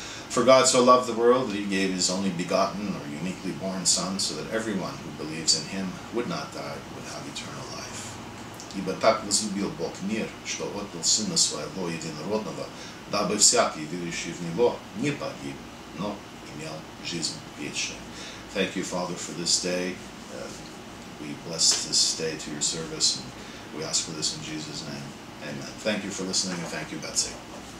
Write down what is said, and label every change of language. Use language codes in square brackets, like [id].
[en] For God so loved the world that he gave his only begotten or uniquely born Son, so that everyone who believes in him would not die, but would have eternal life. [ru] Ибо так возлюбил Бог мир, что отдал Сына Своего Единородного, дабы всякий, верующий в Него, не погиб, но имел жизнь вечную. [en] Thank you, Father, for this day. We bless this day to your service, and we ask for this in Jesus' name. Amen. Thank you for listening, and thank you, Betsy.